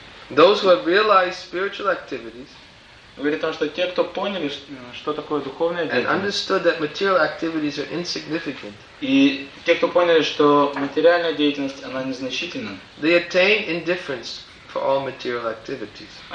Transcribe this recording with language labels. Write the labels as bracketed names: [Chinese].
[English] Those who have realized spiritual activities. [Russian] Говорит о том, что те, кто поняли, что такое духовная деятельность. [English] And understood that material activities are insignificant. [Russian] И те, кто поняли, что материальная деятельность она незначительна. [English] They attain indifference for all material activities.